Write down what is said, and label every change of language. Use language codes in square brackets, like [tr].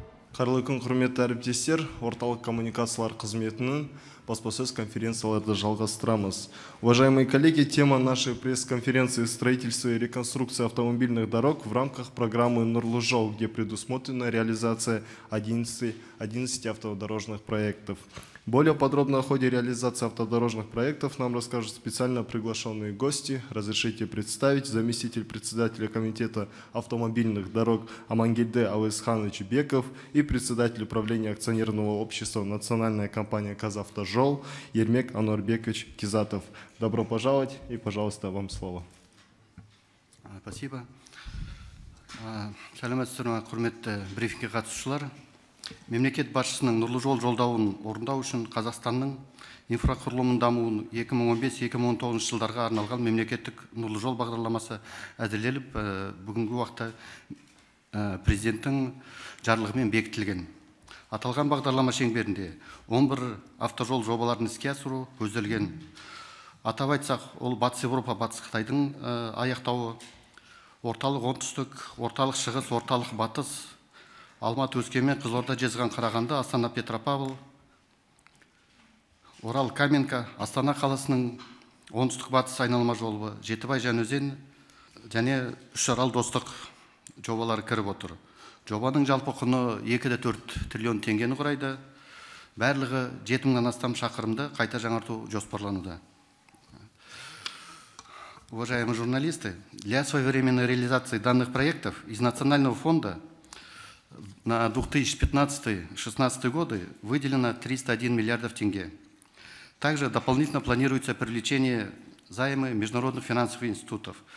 [kk] Қайырлы күн, құрметті әріптестер, орталық коммуникациялар қызметінің баспасөз конференцияларды жалғастырамыз. [ru] Уважаемые коллеги, тема нашей пресс-конференции – строительство и реконструкция автомобильных дорог в рамках программы «Нурлы жол», где предусмотрена реализация 11 автодорожных проектов. Более подробно о ходе реализации автодорожных проектов нам расскажут специально приглашенные гости. Разрешите представить заместитель председателя комитета автомобильных дорог Амангельде Алысханович Беков и председатель управления акционерного общества национальная компания «Казавтожол» Ермек Анурбекович Кизатов. Добро пожаловать и, пожалуйста, вам слово. Спасибо. [kk] Саламатсызбы, құрметті брифинге қатысушылар. Мемлекет басшысының нұрлы жол жолдауын орындау үшін Қазақстанның инфрақұрылымын дамуын 2015-2019 жылдарға арналған мемлекеттік нұрлы жол бағдарламасы әзірленіп, бүгінгі уақытта президенттің жарлығымен бекітілген. Аталған бағдарлама шеңберінде 11 автожол жобаларын іске асыру көзделген. Атап айтсақ, ол Батыс Еуропа, Батыс Қытайдың аяқтауы, орталық оңтүстік, орталық шығыс, орталық батыс, Алматы, Өскемен, Қызылорда, Жезған, Қарағанды, Астана, Петропавл, Орал, Каменка, Астана қаласының оңтүстік батыс айналма жолы, Жетібай, Жаңаөзен, және Үшарал, Достық жобалары кіріп отыр. Жобаның жалпы құны 2,4 триллион теңгені құрайды. Барлығы 7000-нан астам шақырымды қайта жаңарту жоспарлануда. [ru] Уважаемые журналисты, для своевременной реализации данных проектов из национального фонда на 2015-2016 годы выделено 301 миллиардов тенге. Также дополнительно планируется привлечение займа международных финансовых институтов.